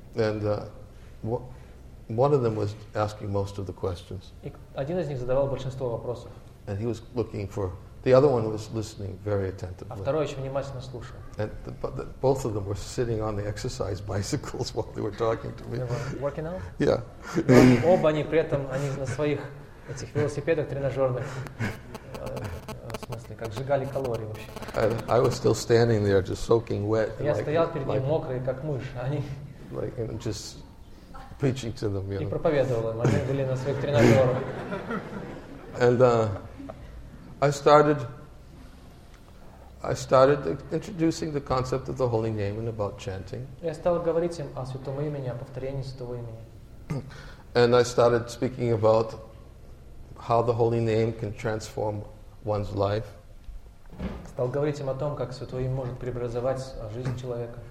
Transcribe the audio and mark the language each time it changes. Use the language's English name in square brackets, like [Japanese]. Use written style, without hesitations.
[English] And one of them was asking most of the questions. [Russian] И один из них задавал большинство вопросов. [English] And he was looking for... The other one was listening very attentively. [Russian] А второй еще внимательно слушал. [English] And both of them were sitting on the exercise bicycles while they were talking to me. They were working out? Yeah. [Russian] Оба они при этом, они на своих этих велосипедах тренажерных, в смысле, как сжигали калории вообще. [English] I was still standing there just soaking wet. [Russian] Я стоял перед ним мокрый, как мышь, а они... [English] Like, and just preaching to them, you know. [Russian] И проповедовал им, они были на своих тренажерах. [English] And, I started introducing the concept of the holy name and about chanting. [Russian] Я стал говорить им о святом имени, о повторении святого имени. [English] And I started speaking about how the holy name can transform one's life. [Russian] Стал говорить им о том, как святое имя может преобразовать жизнь человека.